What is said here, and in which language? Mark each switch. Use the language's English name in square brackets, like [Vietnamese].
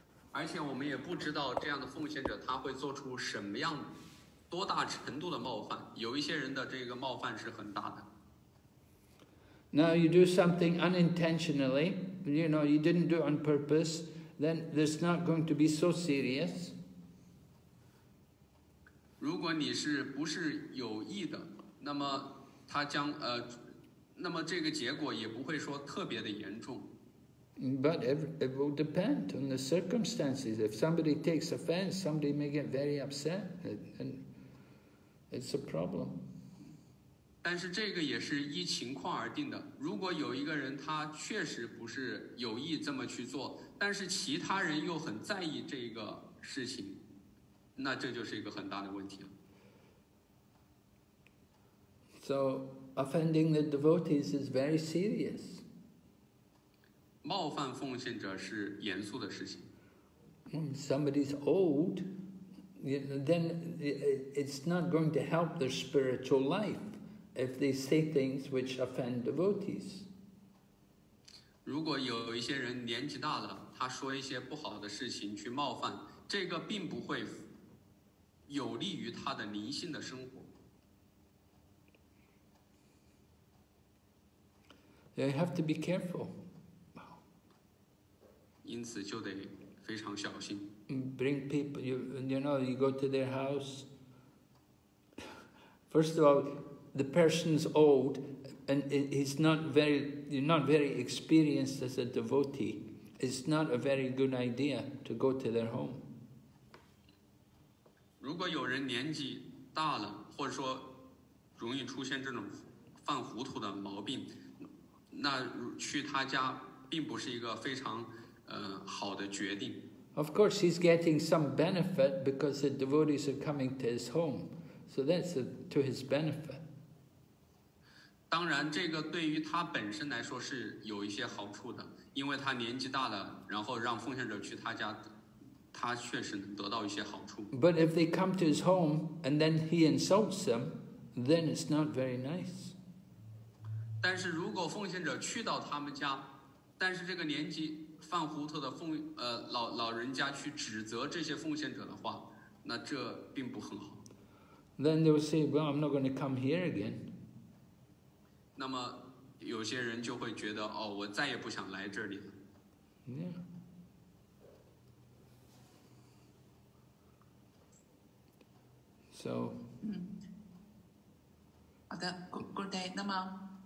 [Chinese] 而且我们也不知道这样的奉献者他会做出什么样多大程度的冒犯。有一些人的这个冒犯是很大的。 [English] Now you do something unintentionally, you know, you didn't do it on purpose, then it's not going to be so serious. [Chinese] 如果你是不是有意的，那么他将那么这个结果也不会说特别的严重。 [English] But it will depend on the circumstances. If somebody takes offense, somebody may get very upset, and it's a problem. [Chinese] 但是这个也是依情况而定的。如果有一个人他确实不是有意这么去做，但是其他人又很在意这个事情，那这就是一个很大的问题了。 [English] So offending the devotees is very serious. [Chinese] 冒犯奉献者是严肃的事情。 [English] Somebody's old, then it's not going to help their spiritual life if they say things which offend devotees. [Chinese] 如果有一些人年纪大了，他说一些不好的事情去冒犯，这个并不会有利于他的灵性的生活。 [English] They have to be careful. [Chinese] 因此就得非常小心。 [English] Bring people, you go to their house. First of all, the person's old, and he's not very, you're not very experienced as a devotee. It's not a very good idea to go to their home. [Chinese] 如果有人年纪大了，或者说容易出现这种犯糊涂的毛病，那去他家并不是一个非常好的决定。 [English] Of course, he's getting some benefit because the devotees are coming to his home, so that's to his benefit. [Chinese] 当然，这个对于他本身来说是有一些好处的，因为他年纪大了，然后让奉献者去他家，他确实能得到一些好处。 [English] But if they come to his home and then he insults them, then it's not very nice. [Chinese] 但是如果奉献者去到他们家，但是这个年纪犯糊涂的老人家去指责这些奉献者的话，那这并不很好。 [English] Then they will say, "Well, I'm not going to come here again." [Chinese] 那么有些人就会觉得，哦，我再也不想来这里了。 [English] Yeah. So. [Chinese] 好的 ， [English] good day. [Chinese] 那么。